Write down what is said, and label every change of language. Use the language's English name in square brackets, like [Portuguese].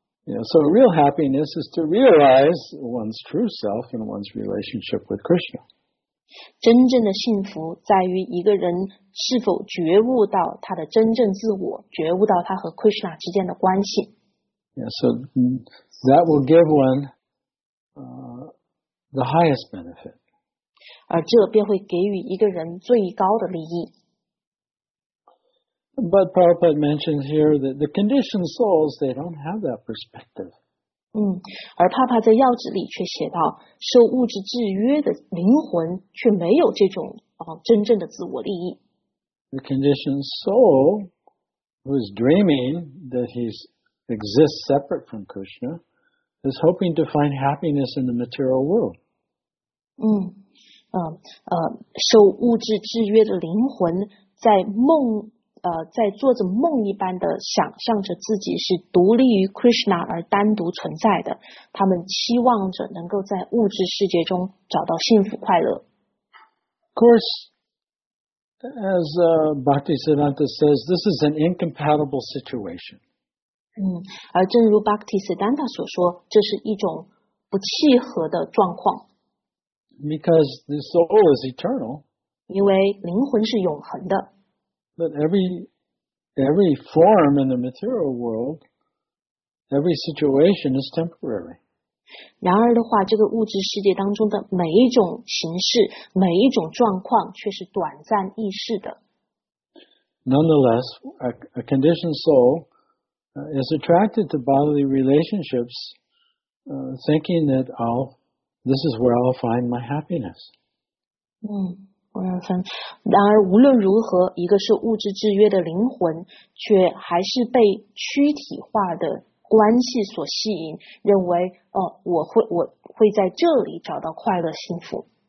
[English] Yeah, so real happiness is to realize one's true self and one's relationship with Krishna. [Chinese] 真正的幸福在于一个人是否觉悟到他的真正自我，觉悟到他和 Krishna 之间的关系。 [English] Yeah, so that will give one the highest benefit. [Chinese] 而这便会给予一个人最高的利益。 [English] But Prabhupada mentions here that the conditioned souls, they don't have that perspective. [Chinese] 而帕帕在要旨里却写到，受物质制约的灵魂却没有这种真正的自我利益。 [English] The conditioned soul who is dreaming that he exists separate from Krishna is hoping to find happiness in the material world. [Chinese] 受物质制约的灵魂在梦在做着梦一般的想象着自己是独立于 Krishna 而单独存在的，他们期望着能够在物质世界中找到幸福快乐。 [English] Of course, as Bhaktisiddhanta says, this is an incompatible situation. [Chinese] 而正如 Bhaktisiddhanta 所说，这是一种不契合的状况。 [English] Because the soul is eternal. [Chinese] 因为灵魂是永恒的。 [English] But every form in the material world, every situation is temporary. [Chinese] 然而的话，这个物质世界当中的每一种形式，每一种状况却是短暂易逝的。 [English] Nonetheless, a conditioned soul is attracted to bodily relationships, thinking that this is where I'll find my happiness. [Chinese] 然而无论如何，一个是物质制约的灵魂，却还是被躯体化的关系所吸引，认为我会在这里找到快乐幸福。